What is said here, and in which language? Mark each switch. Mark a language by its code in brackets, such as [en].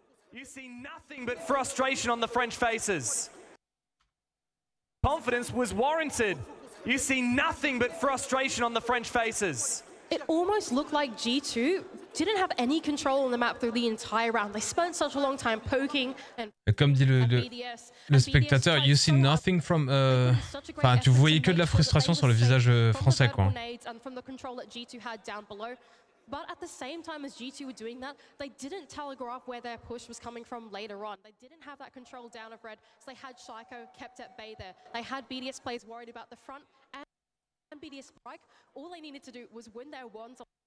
[en] You see nothing but frustration on the French faces. Confidence was warranted. You see nothing but frustration on the French faces. It almost looked like G2 didn't have any control on the map through the entire round. They spent such a long time poking and... [fr] Comme dit le spectateur, [en] you see nothing from... [fr] Enfin, tu voyais que de la frustration sur le visage français, quoi. [en] ...from the control that G2 had down below. But at the same time as G2 were doing that, they didn't telegraph where their push was coming from later on. They didn't have that control down of red, so they had Shaiko kept at bay there. They had BDS players worried about the front and BDS spike. All they needed to do was win their ones.